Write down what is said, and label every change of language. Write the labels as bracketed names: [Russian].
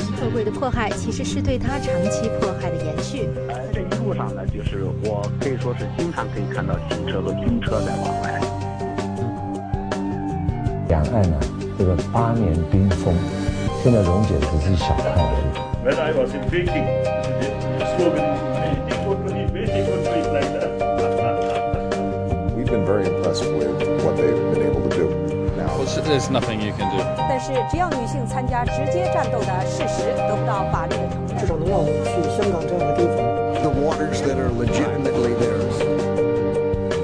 [Chinese] 特会的迫害其实是对他长期迫害的延续。路上呢，就是我可以说是经常可以看到警车和军车在往来。两岸呢，这个八年冰封，现在溶解只是小块而已。 [English] When I was in Beijing, the slogan "Beijing will be Beijing will be" like that. We've been very impressed with what they've been able to do. There's nothing you can do. [Chinese] 但是，只要女性参加直接战斗的事实得不到法律的承认，至少能让我们去香港这样的地方。 [English] The waters that are legitimately theirs.